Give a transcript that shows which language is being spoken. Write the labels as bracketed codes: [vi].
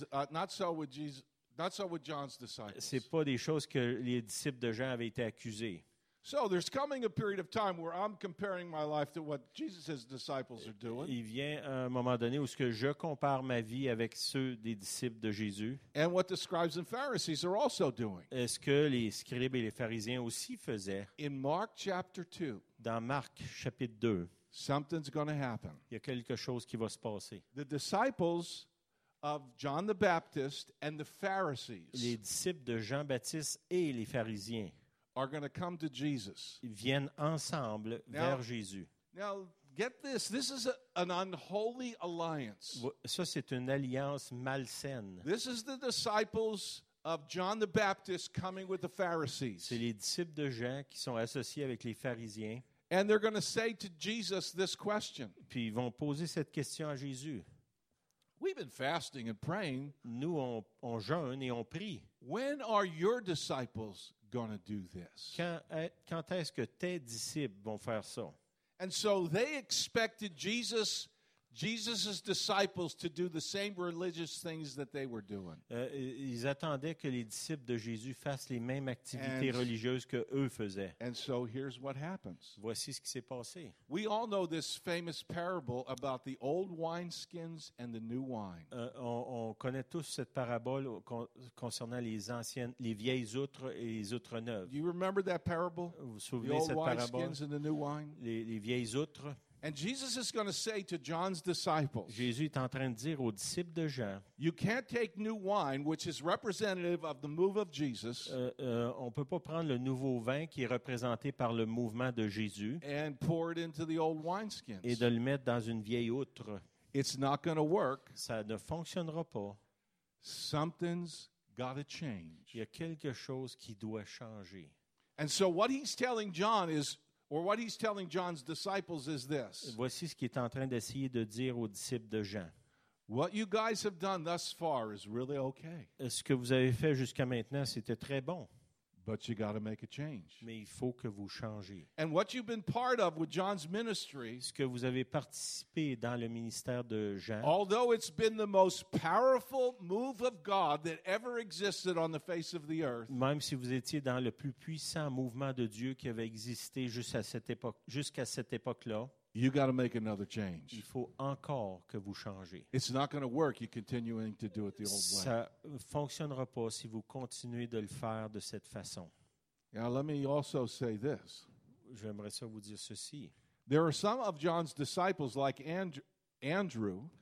[en] Not so with John's disciples. [fr] C'est pas des choses que les disciples de Jean avaient été accusés. [en] So there's coming a period of time where I'm comparing my life to what Jesus' disciples are doing. [fr] Il vient un moment donné où ce que je compare ma vie avec ceux des disciples de Jésus. [en] And what the scribes and Pharisees are also doing. [fr] Est-ce que les scribes et les pharisiens aussi faisaient? [en] In Mark chapter 2. [fr] Dans Marc chapitre 2. [en] Something's going to happen. [fr] Il y a quelque chose qui va se passer. [en] The disciples of John the Baptist and the Pharisees. [fr] Les disciples de Jean-Baptiste et les pharisiens [en] are going to come to Jesus. [fr] Ils viennent ensemble vers Jésus. [en] Now, get this. This is an unholy alliance. [fr] Ça, c'est une alliance malsaine. [en] This is the disciples of John the Baptist coming with the Pharisees. [fr] C'est les disciples de Jean qui sont associés avec les pharisiens. [en] And they're going to say to Jesus this question. [fr] Puis ils vont poser cette question à Jésus. [en] We've been fasting and praying. [fr] Nous, on jeûne et on prie. [en] When are your disciples going to do this? [fr] Quand est-ce que tes disciples vont faire ça? [en] And so they expected Jesus' disciples to do the same religious things that they were doing. [fr] Ils attendaient que les disciples de Jésus fassent les mêmes activités religieuses que eux faisaient. [en] And so here's what happens. [fr] Voici ce qui s'est passé. [en] We all know this famous parable about the old wineskins and the new wine. [fr] On connaît tous cette parabole concernant les vieilles outres et les outres neuves. [en] Do you remember that parable? [fr] Vous vous souvenez cette parabole? [en] The old wineskins and the new wine. [fr] Les vieilles outres. [en] And Jesus is going to say to John's disciples. [fr] Jésus est en train de dire aux disciples de Jean. [en] You can't take new wine, which is representative of the move of Jesus. [fr] On peut pas prendre le nouveau vin qui est représenté par le mouvement de Jésus. [en] And pour it into the old wineskins. [fr] Et de le mettre dans une vieille outre. [en] It's not going to work. [fr] Ça ne fonctionnera pas. [en] Something's got to change. [fr] Il y a quelque chose qui doit changer. [en] And so what he's telling John is. Or what he's telling John's disciples is this. [fr] Voici ce qu'il est en train d'essayer de dire aux disciples de Jean. [en] What you guys have done thus far is really okay. [fr] Ce que vous avez fait jusqu'à maintenant, c'était très bon. [en] But you got to make a change. [fr] Mais il faut que vous changiez. [en] And what you've been part of with John's ministry, [fr] ce que vous avez participé dans le ministère de Jean, [en] although it's been the most powerful move of God that ever existed on the face of the earth, [fr] même si vous étiez dans le plus puissant mouvement de Dieu qui avait existé jusqu'à cette époque-là, [en] you got to make another change. [fr] Il faut encore que vous changiez. [en] It's not going to work. You're continuing to do it the old way. [fr] Ça fonctionnera pas si vous continuez de le faire de cette façon. [en] Now let me also say this. [fr] J'aimerais ça vous dire ceci. [en] There are some of John's disciples, like Andrew.